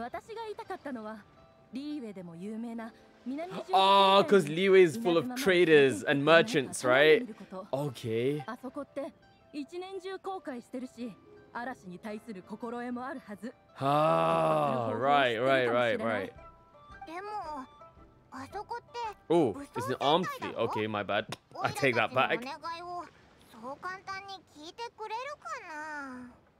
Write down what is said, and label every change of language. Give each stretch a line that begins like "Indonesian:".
Japanese: 私が言いたかったのはリーウェでも有名な。
English: Oh, because Liyue is full of traders and merchants, right? Okay.
Japanese: あそこって一年中航海してるし、嵐に対する心得もあるはず。
English: Right.
Japanese: でも、あそこって。
English: Oh, it's an armed fleet. Okay, my bad. I take that back.
Japanese: お願いをそう簡単に聞いてくれるかな。